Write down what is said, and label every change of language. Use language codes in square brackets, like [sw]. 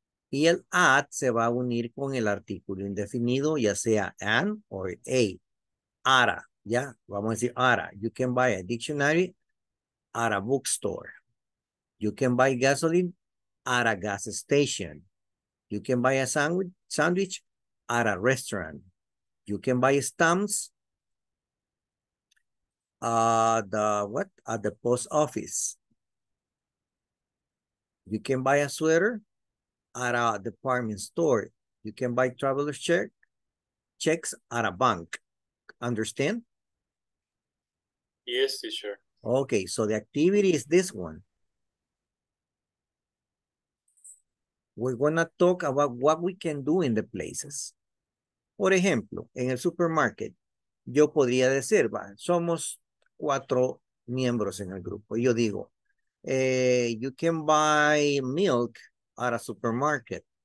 [es] Y el at se va a unir con el artículo indefinido, ya sea an or a. Ara, ya. Vamos a decir ara. [en] You can buy a dictionary at a bookstore. You can buy gasoline at a gas station. You can buy a sandwich at a restaurant. You can buy stamps at the post office. You can buy a sweater at a department store. You can buy traveler's checks at a bank. Understand? Yes, teacher. Okay, so the activity is this one. We're gonna talk about what we can do in the places. [es] Por ejemplo, en el supermarket, yo podría decir, va, somos 4 miembros en el grupo. Yo digo, [en] you can buy milk at a supermarket.